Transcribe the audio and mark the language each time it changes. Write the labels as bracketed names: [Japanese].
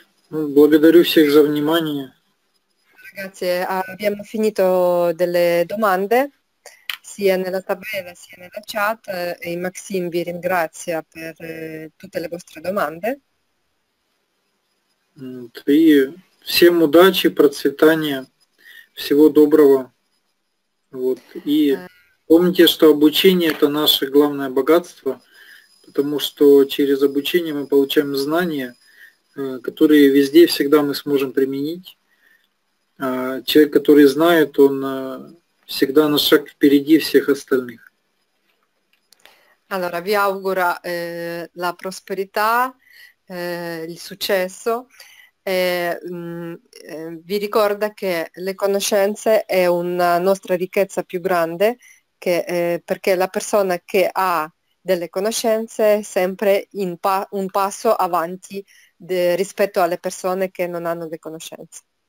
[Russian] Благодарю всех за внимание. [Italian] Grazie, abbiamo finito delle domande, sia nella tabella sia nella chat, e Maxime vi ringrazia per tutte le vostre domande. [Russian] И всем удачи, процветания, всего доброго. Вот. И помните, что обучение – это наше главное богатство, потому что через обучение мы получаем знания, которые везде всегда мы сможем применить. Человек, который знает, он всегда на шаг впереди всех остальных. [Italian] Allora, vi auguro la prosperità, il successo. Vi ricorda che le conoscenze è una nostra ricchezza più grande, perché la persona che ha delle conoscenze è sempre un passo avanti rispetto alle persone che non hanno le conoscenze.